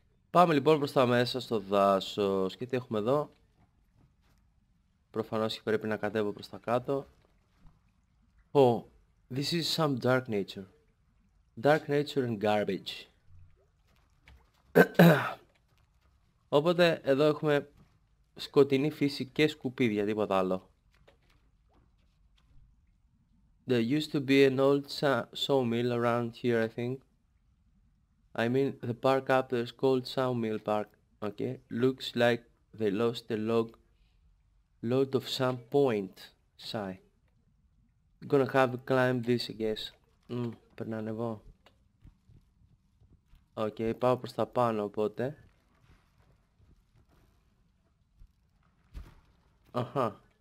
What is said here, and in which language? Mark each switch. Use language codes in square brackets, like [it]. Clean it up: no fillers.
[el] Πάμε λοιπόν προς τα μέσα στο δάσος και τι έχουμε εδώ. Προφανώς και πρέπει να κατέβω προς τα κάτω. [en] Oh, this is some dark nature. Dark nature and garbage. [el] Οπότε εδώ έχουμε σκοτεινή φύση και σκουπίδια, τίποτα άλλο. [en] There used to be an old sawmill around here, I think. I mean, the park up there is called Sawmill Park. Okay, looks like they lost a load of some point. Sigh. Gonna have to climb this, I guess. [el] Πρέπει να ανεβώ. Okay, πάω προς τα πάνω, οπότε. Αχα.